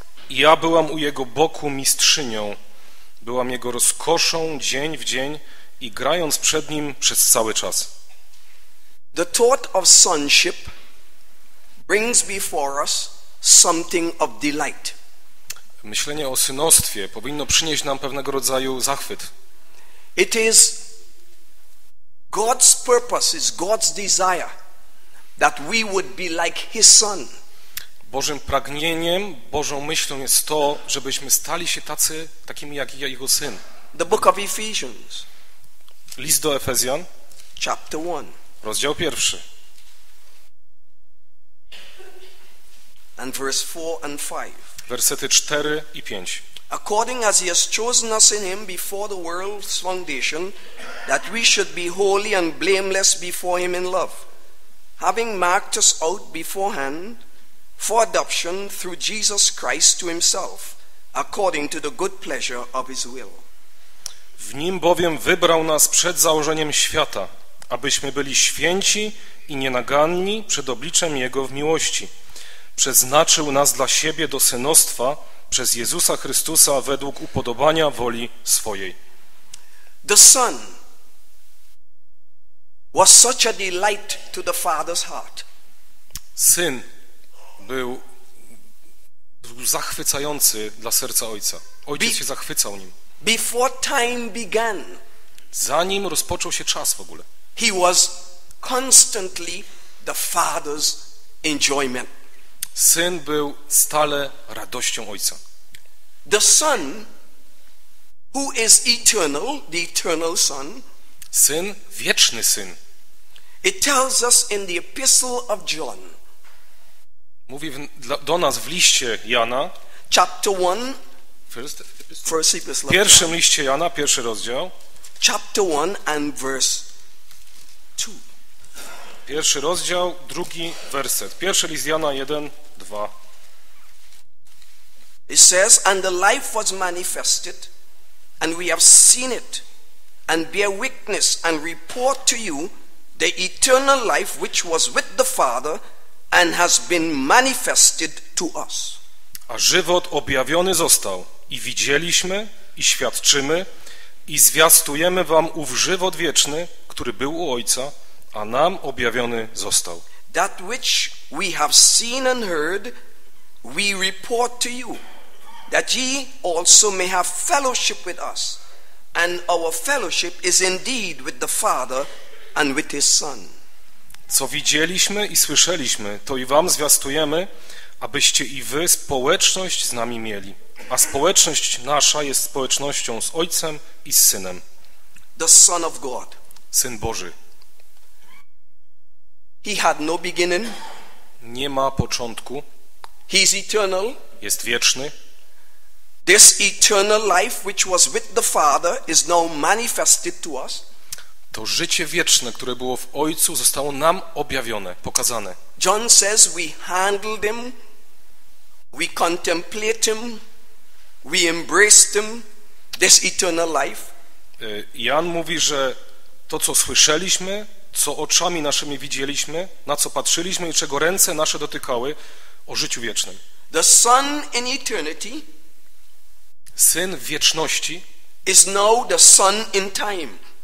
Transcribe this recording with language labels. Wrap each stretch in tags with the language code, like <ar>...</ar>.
<pl>Ja byłam u jego boku mistrzynią, byłam jego rozkoszą dzień w dzień i grając przed nim przez cały czas.</pl> <en>The thought of sonship brings before us something of delight.</en> <pl>Myślenie o synostwie powinno przynieść nam pewnego rodzaju zachwyt.</pl> <en>It is God's purpose, is God's desire that we would be like his son.</en> <pl>Bożym pragnieniem, Bożą myślą jest to, żebyśmy stali się takimi jak jego syn.</pl> <en>The book of Ephesians.</en> <pl>List do Efezjan.</pl> <en>Chapter 1.</en> <pl>Rozdział 1.</pl> <en>And verse 4 and 5.</en> <pl>Wersety 4 i 5.</pl> <en>According as he has chosen us in him before the world's foundation, that we should be holy and blameless before him in love, having marked us out beforehand for adoption through Jesus Christ to himself, according to the good pleasure of his will.</en> <pl>W nim bowiem wybrał nas przed założeniem świata, abyśmy byli święci i nienaganni przed obliczem jego w miłości. Przeznaczył nas dla siebie do synostwa, przez Jezusa Chrystusa według upodobania woli swojej.</pl> <en>The Son was such a delight to the Father's heart.</en> <pl>Syn był zachwycający dla serca Ojca. Ojciec się zachwycał nim.</pl> <en>Before time began,</en> <pl>zanim rozpoczął się czas w ogóle,</pl> <en>he was constantly the Father's enjoyment.</en> <pl>Syn był stale radością Ojca.</pl> <en>The Son, who is eternal, the eternal Son,</en> <pl>Syn, wieczny Syn.</pl> <en>It tells us in the Epistle of John.</en> <pl>Mówi do nas w liście Jana.</pl> <en>Chapter 1.</en> <pl>W pierwszym liście Jana, pierwszy rozdział.</pl> <en>Chapter 1 and verse 2.</en> <pl>Pierwszy rozdział, drugi werset. Pierwszy list Jana 1, 2.</pl> <en>It says, and the life was manifested, and we have seen it, and bear witness, and report to you the eternal life which was with the Father, and has been manifested to us.</en> <pl>A żywot objawiony został, i widzieliśmy, i świadczymy, i zwiastujemy wam ów żywot wieczny, który był u Ojca, a nam objawiony został.</pl> <en>That which we have seen and heard, we report to you, that ye also may have fellowship with us, and our fellowship is indeed with the Father and with his Son.</en> <pl>Co widzieliśmy i słyszeliśmy, to i wam zwiastujemy, abyście i wy społeczność z nami mieli. A społeczność nasza jest społecznością z Ojcem i z Synem.</pl> <en>The Son of God.</en> <pl>Syn Boży.</pl> <en>He had no beginning.</en> <pl>Nie ma początku.</pl> <en>He is eternal.</en> <pl>Jest wieczny.</pl> <en>This eternal life which was with the Father is now manifested to us.</en> <pl>To życie wieczne, które było w Ojcu, zostało nam objawione, pokazane.</pl> <en>John says we handled him, we contemplate him, we embraced him, this eternal life.</en> <pl>Jan mówi, że to, co słyszeliśmy, co oczami naszymi widzieliśmy, na co patrzyliśmy i czego ręce nasze dotykały, o życiu wiecznym.</pl> <en>The Son in eternity,</en> <pl>Syn w wieczności,</pl> <en>is now the Son in time.</en>